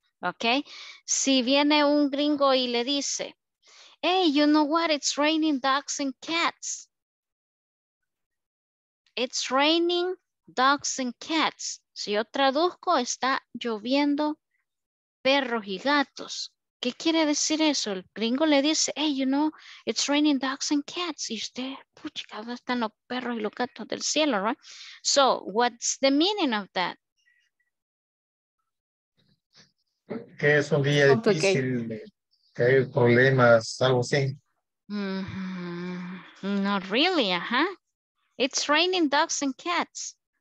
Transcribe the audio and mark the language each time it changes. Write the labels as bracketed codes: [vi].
[es] ¿ok? Si viene un gringo y le dice, [en] hey, you know what? It's raining dogs and cats. It's raining dogs and cats. [es] Si yo traduzco, está lloviendo perros y gatos. ¿Qué quiere decir eso? El gringo le dice, [en] hey, you know, it's raining dogs and cats. [es] Y usted, puchica, ¿dónde están los perros y los gatos del cielo, right? [en] So, what's the meaning of that? [es] Que es un día difícil, que hay problemas, algo así. [en] Mm-hmm. Not really, ajá. Uh-huh. It's raining dogs and cats.